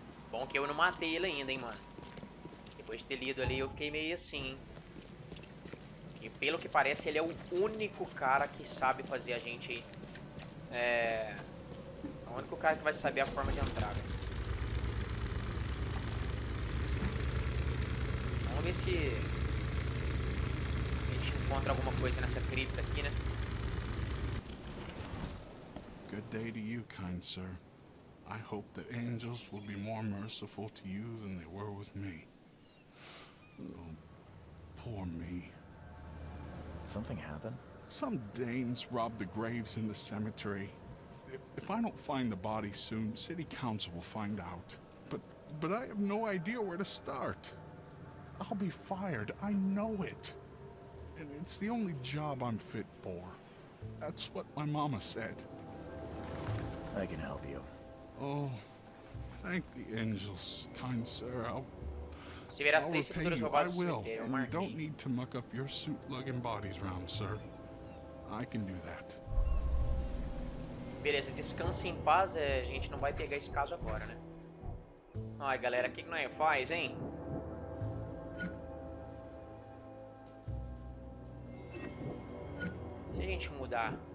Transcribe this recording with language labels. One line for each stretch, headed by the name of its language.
Portuguese: Bom que eu não matei ele ainda, hein, mano. Depois de ter lido ali, eu fiquei meio assim, hein? Que, pelo que parece, ele é o único cara que sabe fazer a gente É. O único cara que vai saber a forma de entrar. Vamos ver se a gente encontra alguma coisa nessa cripta aqui, né?
English: Good day to you, kind sir. I hope the angels will be more merciful to you than they were with me. Oh, poor me. Something happened? Some Danes robbed the graves in the cemetery. If I don't find the body soon, city council will find out. But I have no idea where to start. I'll be fired, I know it. And it's the only job I'm fit for. That's what my mama said. I can help you. Oh, thank the angels, kind sir.
Portuguese: Se ver as três sepulturas roubadas,
English: I will. You don't need to muck up your suit lugging bodies round, sir. I can do that.
Portuguese: Beleza, descanse em paz, a gente não vai pegar esse caso agora, né? Ai, galera, o que que não é? Faz, hein? Se a gente mudar...